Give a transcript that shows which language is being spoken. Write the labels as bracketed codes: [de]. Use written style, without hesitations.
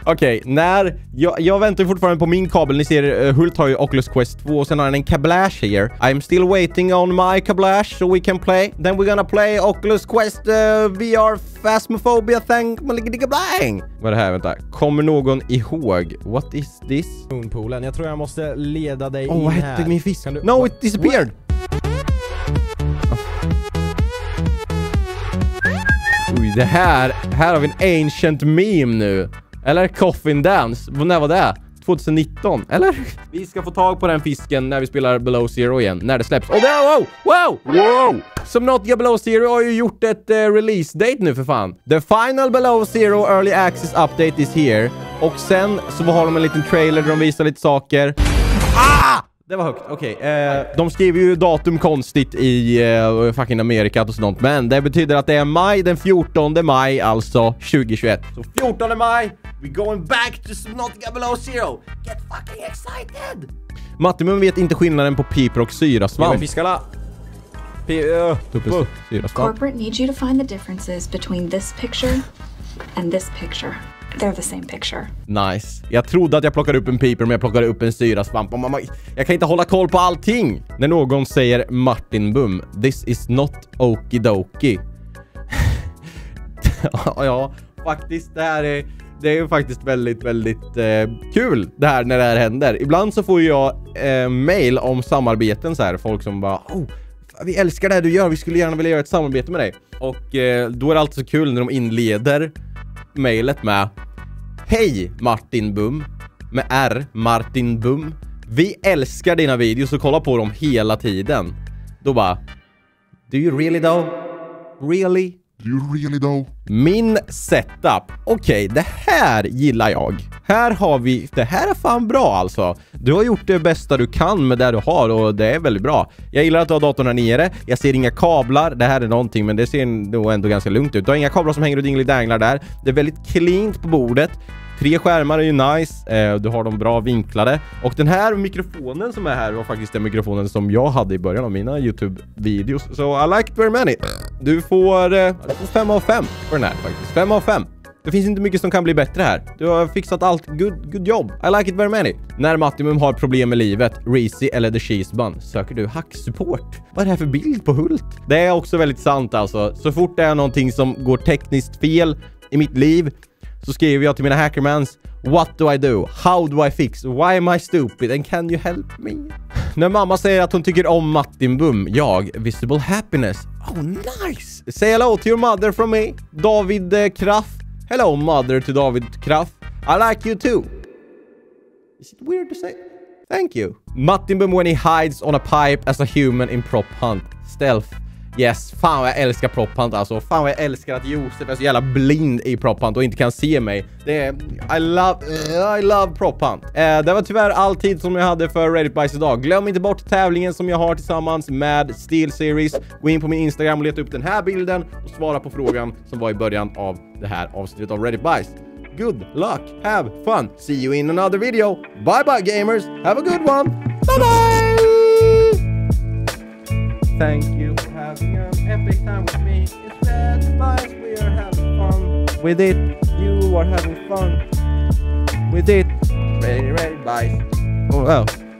[sv] Okej, okay, när jag väntar fortfarande på min kabel. Ni ser Hult har ju Oculus Quest 2 och sen har han en kablash här. [en] I'm still waiting on my kablash so we can play. Then we're gonna play Oculus Quest VR Phasmophobia thing. [sv] Maligidigabang. Vad är det här? Vänta. Kommer någon ihåg? [en] What is this? [sv] Moonpoolen. Jag tror jag måste leda dig in här. Oh, vad hette min fisk? [en] No, it disappeared. [sv] det här, här har vi en ancient meme nu. Eller Coffin Dance. När var det? 2019, eller? Vi ska få tag på den fisken när vi spelar Below Zero igen. När det släpps. Oh, wow! Wow! Wow! Som Nautica Below Zero har ju gjort ett release date nu för fan. [en] The final Below Zero Early Access Update is here. [sv] Och sen så har de en liten trailer där de visar lite saker. Ah! Det var högt, okej. Okay, de skriver ju datum konstigt i fucking Amerika och sånt. Men det betyder att det är maj, den 14 maj, alltså 2021. Så 14 maj, [en] we're going back to Subnautica Below Zero. Get fucking excited! [sv] Mattimum vet inte skillnaden på piper och syrasvamp. Ja, men fiskarna. Syrasvamp. [en] Corporate needs you to find the differences between this picture and this picture. They're the same picture. Nice. [sv] Jag trodde att jag plockade upp en piper, men jag plockade upp en syrasvamp. Mamma, jag kan inte hålla koll på allting. När någon säger [en] Martin Bum, this is not okidoki. [sv] Ja, faktiskt, det är faktiskt väldigt, väldigt kul det här när det här händer. Ibland så får jag mail om samarbeten så här. Folk som bara, oh, vi älskar det här du gör. Vi skulle gärna vilja göra ett samarbete med dig. Och då är det alltid så kul när de inleder mejlet med: hej Martin Bum, med R, Martin Bum, vi älskar dina videos och kollar på dem hela tiden. Då bara, [en] do you really though? Really? Do you really though? [sv] Min setup. Okej, okay, det här gillar jag. Här har vi, det här är fan bra alltså. Du har gjort det bästa du kan med det du har och det är väldigt bra. Jag gillar att du har datorn här nere. Jag ser inga kablar. Det här är någonting, men det ser nog ändå ganska lugnt ut. Du har inga kablar som hänger och dinglar och danglar där. Det är väldigt cleant på bordet. Tre skärmar är ju nice. Du har de bra vinklade. Och den här mikrofonen som är här var faktiskt den mikrofonen som jag hade i början av mina YouTube-videos. [en] So I liked very many. [sv] Du får 5 av 5 för den här faktiskt. 5 av 5. Det finns inte mycket som kan bli bättre här. Du har fixat allt. [en] Good job. I like it very many. [sv] När Mattimum har problem med livet, Reezy eller The Cheese Bun, söker du hacksupport? Vad är det här för bild på Hult? Det är också väldigt sant alltså. Så fort det är någonting som går tekniskt fel i mitt liv, så skriver jag till mina hackermans: [en] what do I do? How do I fix? Why am I stupid? And can you help me? [sv] När mamma säger att hon tycker om Martin Bum, jag, [en] visible happiness. Oh nice! Say hello to your mother from me, David Kraft. Hello mother to David Kraft. I like you too. Is it weird to say? Thank you. Martin Bum when he hides on a pipe as a human in prop hunt. Stealth. Yes, [sv] fan jag älskar prop hunt alltså. Fan jag älskar att Josef är så jävla blind i prop hunt och inte kan se mig. Det är, [en] I love prop hunt. [sv] Det var tyvärr all tid som jag hade för Reddit Bites idag. Glöm inte bort tävlingen som jag har tillsammans med SteelSeries. Gå in på min Instagram och leta upp den här bilden och svara på frågan som var i början av det här avsnittet av Reddit Bites. [en] Good luck, have fun. See you in another video. Bye bye gamers, have a good one. Bye bye. Thank you. Epic time with me. It's Red Spice. We are having fun with it. You are having fun with it. Red Spice. Oh, wow. Oh.